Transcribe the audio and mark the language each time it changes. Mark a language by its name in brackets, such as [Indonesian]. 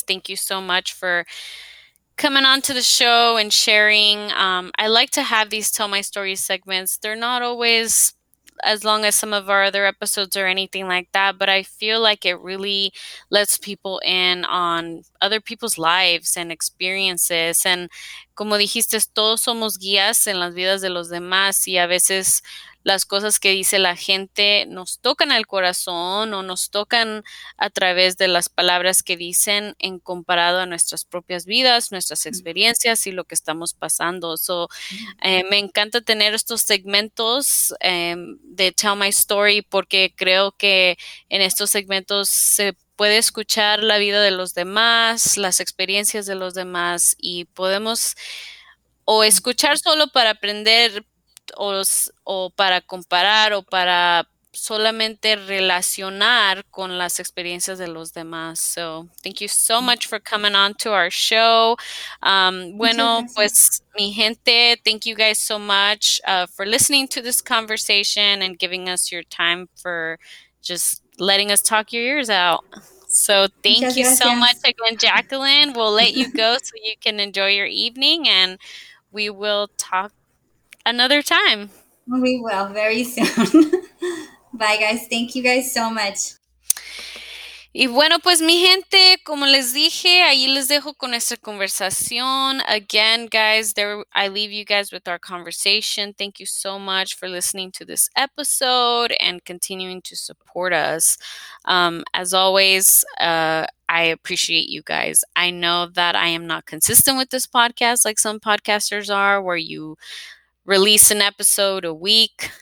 [English] Thank you so much for coming on to the show and sharing. I like to have these Tell My Story segments. They're not always as long as some of our other episodes or anything like that, but I feel like it really lets people in on other people's lives and experiences. [Spanish] And como dijiste, todos somos guías en las vidas de los demás, y a veces las cosas que dice la gente nos tocan al corazón o nos tocan a través de las palabras que dicen en comparado a nuestras propias vidas, nuestras experiencias y lo que estamos pasando. So, me encanta tener estos segmentos de Tell My Story, porque creo que en estos segmentos se puede escuchar la vida de los demás, las experiencias de los demás, y podemos o escuchar solo para aprender o para comparar o para solamente relacionar con las experiencias de los demás. [English] So, thank you so much for coming on to our show. [Spanish] Bueno, pues, mi gente, [English] thank you guys so much for listening to this conversation and giving us your time for just letting us talk your ears out. So, thank you so much again, Jacqueline. We'll let you go so you can enjoy your evening, and we will talk another time. We will very soon. Bye, guys. Thank you guys so much. [Spanish] Y bueno, pues, mi gente, como les dije, ahí les dejo con esta conversación. [English] Again, guys, there I leave you guys with our conversation. Thank you so much for listening to this episode and continuing to support us. As always, I appreciate you guys. I know that I am not consistent with this podcast like some podcasters are, where you release an episode a week.